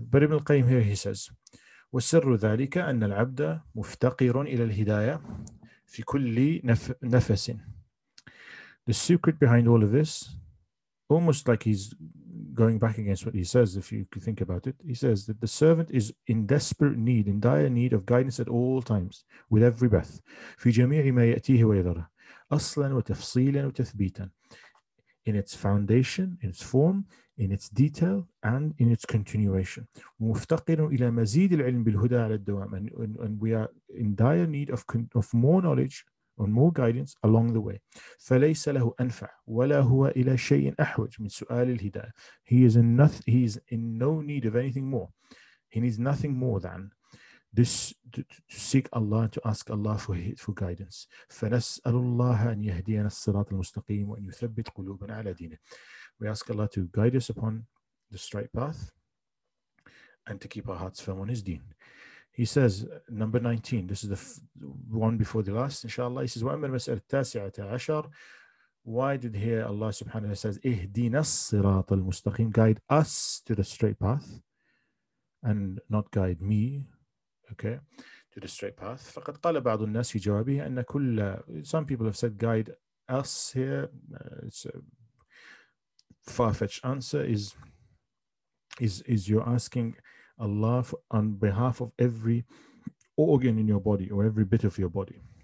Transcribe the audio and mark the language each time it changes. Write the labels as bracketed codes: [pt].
[en] But Ibn al-Qayyim here, he says, [ar] وَسِرُّ ذَلِكَ أَنَّ الْعَبْدَ مُفْتَقِرٌ إِلَى الْهِدَايَةِ فِي كُلِّ نَفَسٍ [en] The secret behind all of this almost like he's going back against what he says, if you could think about it. He says that the servant is in desperate need, in dire need of guidance at all times, with every breath. [ar] في جميع ما يأتيه ويضره أصلاً وتفصيلاً وتثبيتاً. [en] In its foundation, in its form, in its detail, and in its continuation. [ar] مُفْتَقِرٌ إِلَى مَزِيدِ الْعِلْمِ بِالْهُدَى عَلَى الدَّوَامِ. [en] And we are in dire need of more knowledge and more guidance along the way. [ar] فَلَيْسَ لَهُ أَنْفَعُ وَلَا هُوَ إِلَى شَيْءٍ أَحْوَجُ مِنْ سُؤَالِ الْهِدَاءِ. [en] He is in no need of anything more. He needs nothing more than this, to seek Allah, to ask Allah for guidance. [ar] فَنَسْأَلُ اللَّهَ أَنْ يَهْدِيَنَا الصِّرَاطَ الْمُسْتَقِيمَ وَأَنْ يُثَبِّتْ قُلُوبًا عَلَى دِينِهِ. [en] We ask Allah to guide us upon the straight path and to keep our hearts firm on His deen. He says, number 19, this is the one before the last, inshallah. He says, [ar] وَأَمَّا الْمَسْأَلَ التَّاسِعَةَ عَشَرَ. [en] Why did here Allah subhanahu wa ta'ala says, [ar] اِهْدِيْنَا الصِّرَاطَ الْمُسْتَقِيمَ, [en] guide us to the straight path and not guide me, okay, to the straight path. [ar] فَقَدْ قَالَ بَعْضُ النَّاسِ فِي جَوَابِهِ أَنَّ كُلَّ, [en] some people have said guide us here, it's a far-fetched answer, is you're asking Allah on behalf of every organ in your body or every bit of your body.